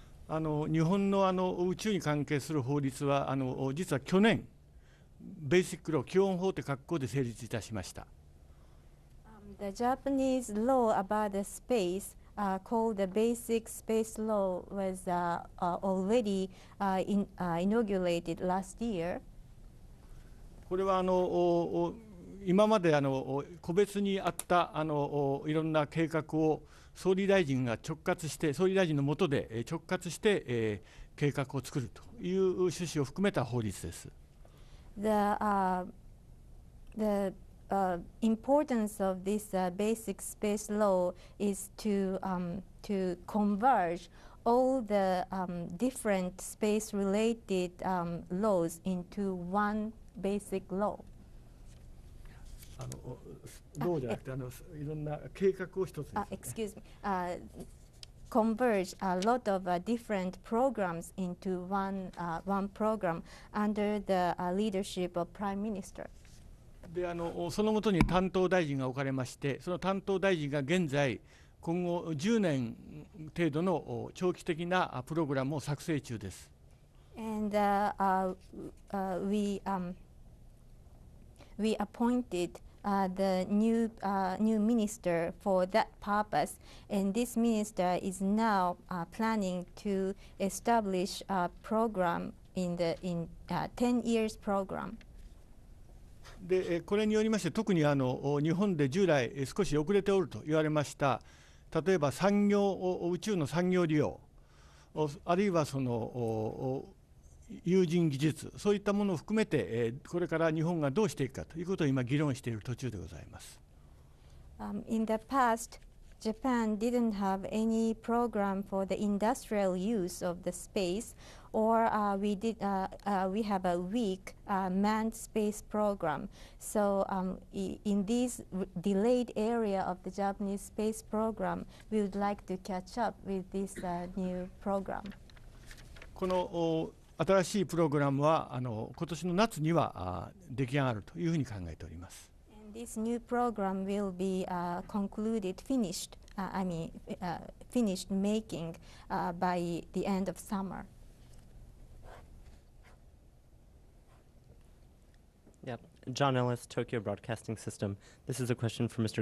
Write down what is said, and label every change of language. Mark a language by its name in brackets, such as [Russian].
[Japanese] あの日本 の, あの宇宙に関係する法律はあの実は去年ベーシックロー基本法って格好で成立いたしました。 [English] The Japanese law about the space, called the Basic Space Law, was already inaugurated last year. [Japanese] これはあの今まであの個別にあったあのいろんな計画を総理大臣が直轄して総理大臣の下で直轄して計画を作るという趣旨を含めた法律です。 [English] Importance of this basic space law is to converge all the different space related laws into one basic law. [Japanese] あのどうじゃなくてあのいろんな計画を一つですね。 [English] Excuse me. Converge a lot of different programs into one program under the leadership of Prime Minister. [Japanese] であのその下に担当大臣が置かれまして、その担当大臣が現在、今後10年程度の長期的なプログラムを作成中です。 [English] And we appointed the new minister for that purpose, and this minister is now planning to establish a program in a 10 years program. [Japanese] でこれによりまして特にあの日本で従来少し遅れておると言われました例えば産業宇宙の産業利用あるいはその有人技術そういったものを含めてこれから日本がどうしていくかということを今議論している途中でございます。 [English] In the past, Japan didn't have any program for the industrial use of the space. Or we have a weak manned space program. So in this delayed area of the Japanese space program, we would like to catch up with this new program. [Japanese] この新しいプログラムはあの今年の夏には出来上がるというふうに考えております。 [English] And this new program will be concluded, finished. Finished making by the end of summer. John Ellis, Tokyo Broadcasting System. This is a question for Mr.